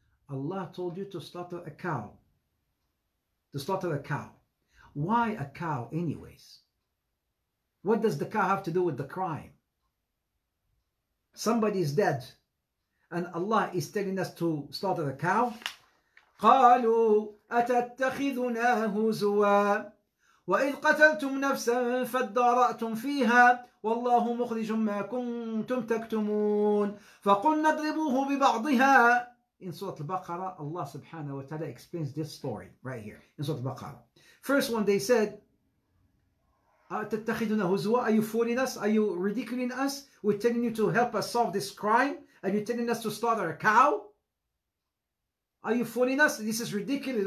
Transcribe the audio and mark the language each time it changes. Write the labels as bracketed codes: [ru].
[en] Allah told you to slaughter a cow. To slaughter a cow. Why a cow anyways? What does the cow have to do with the crime? Somebody is dead and Allah is telling us to slaughter a cow. [ar] قالوا أتتخذنا هزوا وإذ قتلتم نفسا فادارأتم فيها والله مخرج ما كنتم تكتمون فقلنا اضربوه ببعضها. [en] In Surah Al-Baqarah, Allah subhanahu wa ta'ala explains this story right here in Surah Al-Baqarah. First one, they said, [ar] أتتخذنا هزوا, [en] are you fooling us? Are you ridiculing us? We're telling you to help us solve this crime and you're telling us to slaughter a cow? Are you fooling us? This is ridiculous.